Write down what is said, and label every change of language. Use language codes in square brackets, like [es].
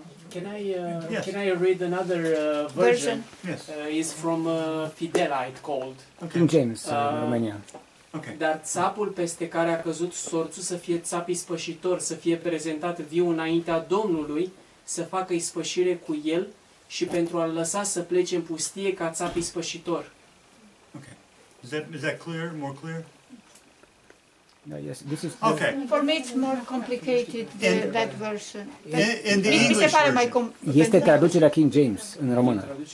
[en] Can I read another version? Yes. It's from Fidelite called. Okay. King James, Romania. Okay. [ro] Dar țapul peste care a căzut sorțul să fie țap ispășitor, să fie prezentat viu înaintea Domnului, să facă ispășire cu el și pentru a-l lăsa să plece în pustie ca țap ispășitor. [en] Okay. Is that clear? More clear? No, yes, this is okay. For me it's more complicated than that version. In the English version. [ro] Este traducerea King James în română.